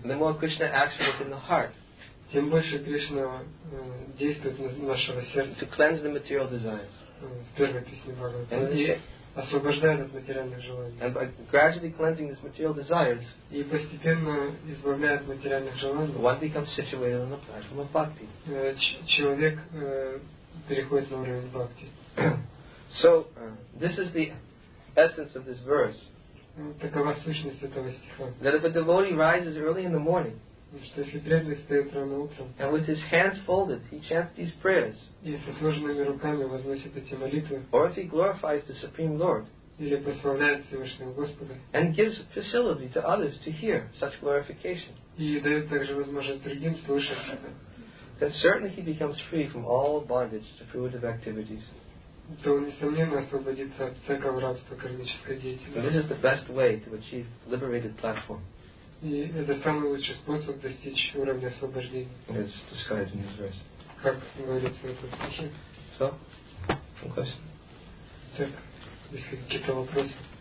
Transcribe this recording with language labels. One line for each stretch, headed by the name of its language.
English: the more Krishna acts within the heart.
Russian: Тем больше Кришна действует на нашего сердца.
English: To cleanse the material desires.
Russian: В первой песне Бхагавата. And освобождает от материальных желаний.
English: And by gradually cleansing these material desires,
Russian: и постепенно избавляя от материальных желаний,
English: one becomes situated on the platform of bhakti.
Russian: Человек переходит на уровень бхакти.
English: So, this is the essence of this verse.
Russian: Такова сущность этого стиха.
English: That if a devotee rises early in the morning,
Russian: что если преданный встает рано утром,
English: and with his hands folded, he chants these prayers,
Russian: и со сложенными руками возносит эти молитвы,
English: or if he glorifies the Supreme Lord,
Russian: или прославляет Всевышнего Господа,
English: and gives facility to others to hear such glorification,
Russian: и дает также возможность другим слышать это,
English: then certainly he becomes free from all bondage to fruitive activities.
Russian: То он, несомненно, освободится от всякого рабства кармической деятельности.
English: This is the best way to achieve liberated platform.
Russian: И это самый лучший способ достичь уровня освобождения.
English: It's described in this verse.
Russian: Как говорится в этом стихе?
English: So, no question.
Russian: Так, если какие-то вопросы.